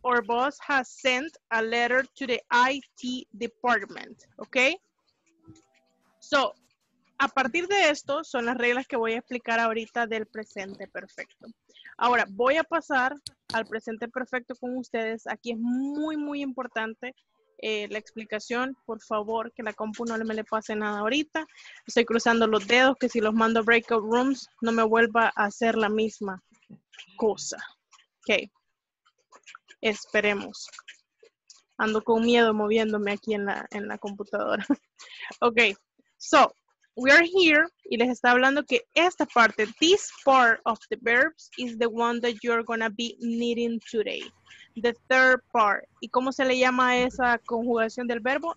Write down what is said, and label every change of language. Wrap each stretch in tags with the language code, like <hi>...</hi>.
<en>Our boss has sent a letter to the IT department. Okay?</en> <es>So, a partir de esto, son las reglas que voy a explicar ahorita del presente perfecto. Ahora, voy a pasar al presente perfecto con ustedes. Aquí es muy, muy importante la explicación. Por favor, que la compu no me le pase nada ahorita. Estoy cruzando los dedos, que si los mando a breakout rooms, no me vuelva a hacer la misma cosa. Ok. Esperemos. Ando con miedo moviéndome aquí en la computadora. Ok.</es> <en>So, we are here,</en> <es>y les está hablando que esta parte,</es> <en>this part of the verbs, is the one that you're going to be needing today. The third part.</en> <es>¿Y cómo se le llama a esa conjugación del verbo?</es>